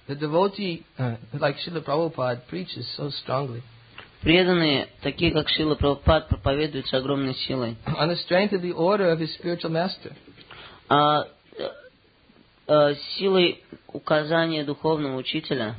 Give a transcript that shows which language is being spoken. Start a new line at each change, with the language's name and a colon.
English: The devotee, like Srila Prabhupada, preaches so strongly.
Russian: Преданные, такие как Шрила Прабхупад, проповедуют с огромной силой.
English: On the strength of the order of his spiritual master.
Russian: Силой указания духовного учителя.